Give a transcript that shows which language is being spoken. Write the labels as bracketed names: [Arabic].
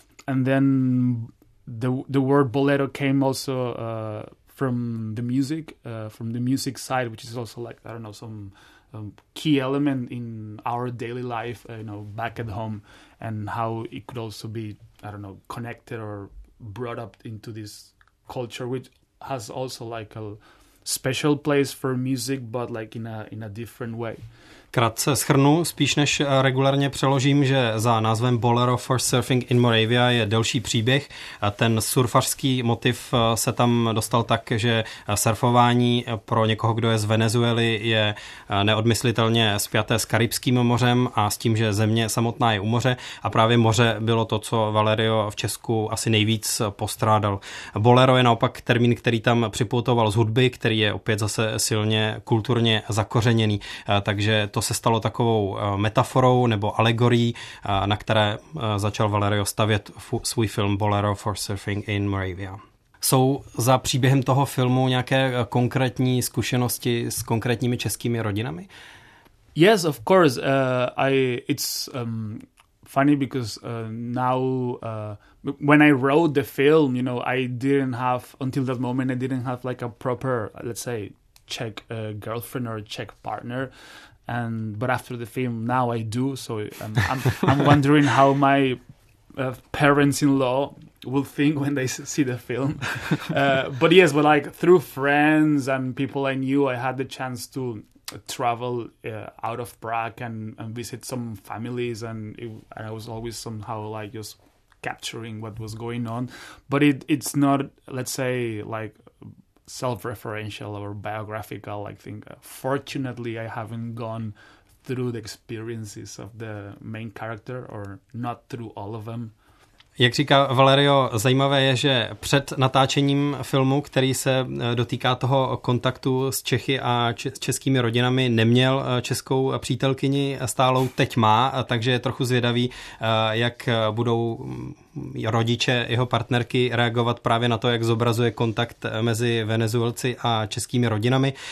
[English] And then the word bolero came also from the music side, which is also like, I don't know, some key element in our daily life, you know, back at home, and how it could also be, I don't know, connected or brought up into this culture, which has also like a special place for music, but like in a different way. [Czech] Krátce shrnu, spíš než regulárně přeložím, že za názvem Bolero for Surfing in Moravia je delší příběh. Ten surfařský motiv se tam dostal tak, že surfování pro někoho, kdo je z Venezuely, je neodmyslitelně spjaté s Karibským mořem a s tím, že země samotná je u moře. A právě moře bylo to, co Valerio v Česku asi nejvíc postrádal. Bolero je naopak termín, který tam připoutoval z hudby, který je opět zase silně kulturně zakořeněný. Takže to se stalo takovou metaforou nebo alegorií, na které začal Valerio stavět svůj film Bolero for Surfing in Moravia. Jsou za příběhem toho filmu nějaké konkrétní zkušenosti s konkrétními českými rodinami? [English] Yes, of course. It's funny because now when I wrote the film, you know, I didn't have, until that moment, I didn't have like a proper, let's say, Czech girlfriend or Czech partner. And but after the film, now I do. So I'm wondering how my parents-in-law will think when they see the film. But yes, but like through friends and people I knew, I had the chance to travel out of Prague and visit some families, and I was always somehow like just capturing what was going on. But it's not, let's say, like self-referential or biographical, I think. Fortunately, I haven't gone through the experiences of the main character or not through all of them. [Czech] Jak říká Valerio, zajímavé je, že před natáčením filmu, který se dotýká toho kontaktu s Čechy a s českými rodinami, neměl českou přítelkyni stálou, teď má, takže je trochu zvědavý, jak budou rodiče jeho partnerky reagovat právě na to, jak zobrazuje kontakt mezi Venezuelci a českými rodinami.